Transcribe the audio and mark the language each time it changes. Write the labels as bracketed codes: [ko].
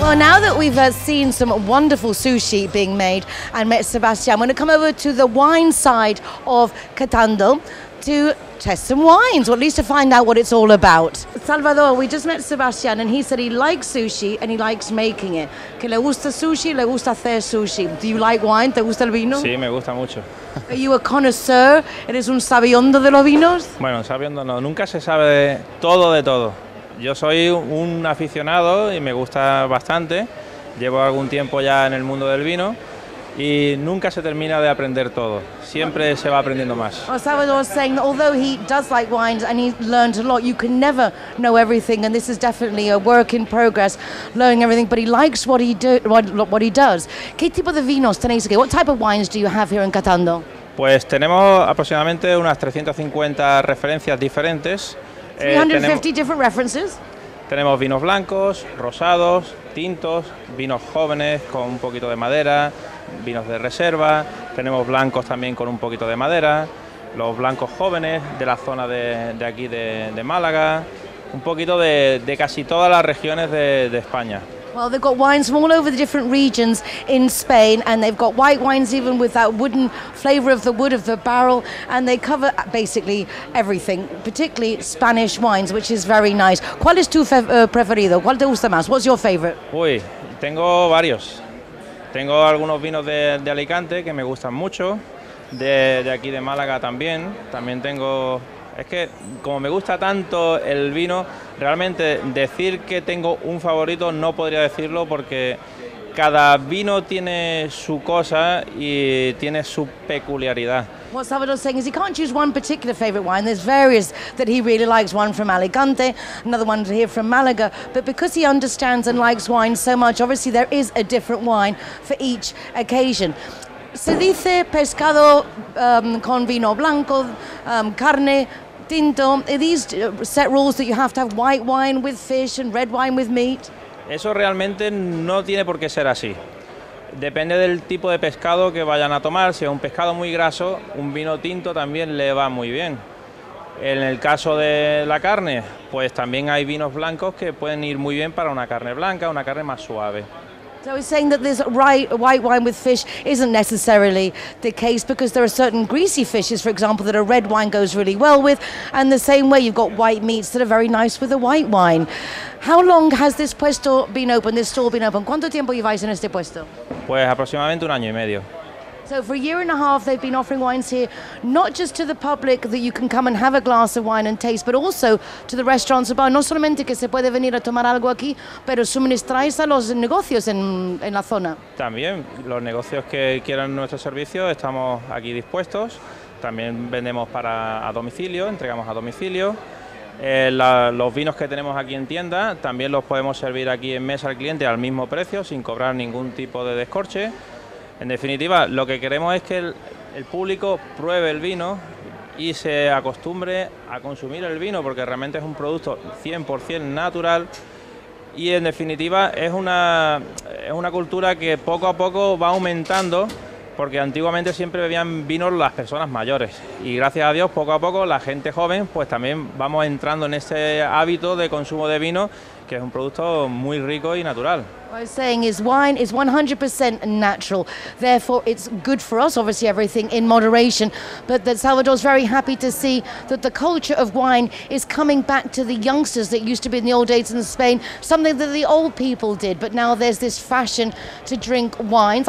[en] Well, now that we've seen some wonderful sushi being made and met Sebastian, I'm going to come over to the wine side of Catando to test some wines, or at least to find out what it's all about. Salvador, we just met Sebastian and he said he likes sushi and he likes making it. [es] Que le gusta sushi, le gusta hacer sushi. [en] Do you like wine? [es] ¿Te gusta el vino? Sí, me gusta mucho. [en] Are you a connoisseur? [es] ¿Eres un sabiondo de los vinos? Bueno, sabiondo no, nunca se sabe de todo. Yo soy un aficionado y me gusta bastante. Llevo algún tiempo ya en el mundo del vino. Y nunca se termina de aprender todo. Siempre se va aprendiendo más. [en] Well, Salvador was saying that although he does like wines and he learned a lot, you can never know everything, and this is definitely a work in progress, learning everything. But he likes what he does. [es] ¿Qué tipo de vinos tenéis aquí? [en] What type of wines do you have here in Catando? [es] Pues tenemos aproximadamente unas 350 referencias diferentes. [en] 350 different references. [es] Tenemos vinos blancos, rosados, tintos, vinos jóvenes con un poquito de madera. Vinos de reserva, tenemos blancos también con un poquito de madera, los blancos jóvenes de la zona de aquí de Málaga, un poquito de casi todas las regiones de España. [en] Well, they've got wines from all over the different regions in Spain, and they've got white wines even with that wooden flavor of the wood of the barrel, and they cover basically everything, particularly Spanish wines, which is very nice. [es] ¿Cuál es tu preferido? ¿Cuál te gusta más? [en] What's your favorite? [es] Uy, tengo varios. Tengo algunos vinos de Alicante que me gustan mucho, de aquí de Málaga también. También tengo, es que como me gusta tanto el vino, realmente decir que tengo un favorito no podría decirlo, porque cada vino tiene su cosa y tiene su peculiaridad. [en] What Salvador's saying is he can't choose one particular favorite wine. There's various that he really likes, one from Alicante, another one here from Malaga. But because he understands and likes wine so much, obviously there is a different wine for each occasion. [es] Se dice pescado con vino blanco, carne, tinto. [en] Are these set rules that you have to have white wine with fish and red wine with meat? [es] Eso realmente no tiene por qué ser así. Depende del tipo de pescado que vayan a tomar. Si es un pescado muy graso, un vino tinto también le va muy bien. En el caso de la carne, pues también hay vinos blancos que pueden ir muy bien para una carne blanca, una carne más suave. [en] So he's saying that this white wine with fish isn't necessarily the case, because there are certain greasy fishes, for example, that a red wine goes really well with, and the same way you've got white meats that are very nice with a white wine. How long has this puesto been open, this stall been open? [es] ¿Cuánto tiempo lleváis en este puesto? Pues aproximadamente un año y medio. [en] So for a year and a half they've been offering wines here, not just to the public that you can come and have a glass of wine and taste, but also to the restaurants and bar. [es] No solamente que se puede venir a tomar algo aquí, pero suministráis a los negocios en la zona. También, los negocios que quieran nuestro servicio estamos aquí dispuestos. También vendemos a domicilio, entregamos a domicilio. Los vinos que tenemos aquí en tienda también los podemos servir aquí en mesa al cliente al mismo precio, sin cobrar ningún tipo de descorche. En definitiva, lo que queremos es que el público pruebe el vino y se acostumbre a consumir el vino, porque realmente es un producto 100% natural y en definitiva es una cultura que poco a poco va aumentando porque antiguamente siempre bebían vino las personas mayores y gracias a Dios poco a poco la gente joven pues también vamos entrando en ese hábito de consumo de vino, que es un producto muy rico y natural. [en] What I was saying is wine is 100% natural, therefore it's good for us, obviously everything in moderation, but that Salvador's very happy to see that the culture of wine is coming back to the youngsters that used to be in the old days in Spain, something that the old people did, but now there's this fashion to drink wines.